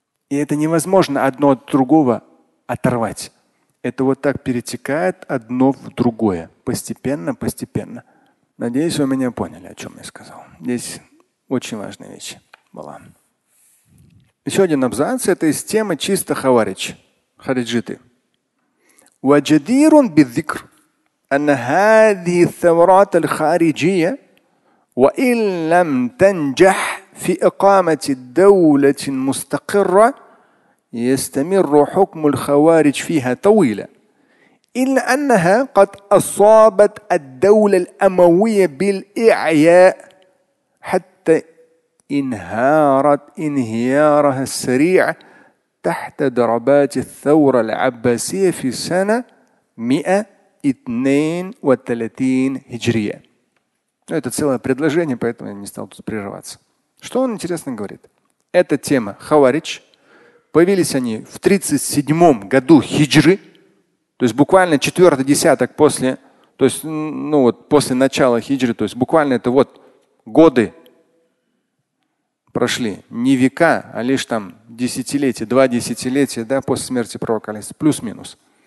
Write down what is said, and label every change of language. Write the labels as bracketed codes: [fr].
[ru] И это невозможно одно от другого оторвать. Это вот так перетекает одно в другое. Постепенно, постепенно. Надеюсь, вы меня поняли, о чем я сказал. Здесь очень важная вещь была. Еще один абзац. Это из темы чисто хаварич. Хариджиты. [ar] وَجَدِيرٌ بِالذِّكْرُ أَنَّ هَذِهِ الثَّمَرَاتَ الْخَارِجِيَةِ وَإِنْ لَمْ تَنْجَحْ فِي إِقَامَةِ دَوْلَةٍ مُسْتَقِرَّةٍ يستمر حكم الخوارج فيها طويلة إلا أنها قد أصابت الدولة الأموية بالإعياء حتى انهارت انهيارها السريع تحت ضربات الثورة العباسية في سنة 132 هجرية. [ru] Это целое предложение, поэтому я не стал тут прерываться. Что он интересно говорит? Эта тема хаварич. Появились они в 37 году хиджры, то есть буквально четвертый десяток после, то есть, ну вот, после начала хиджры, то есть буквально это вот годы прошли, не века, а лишь там десятилетия, два десятилетия, да, после смерти пророка, плюс-минус.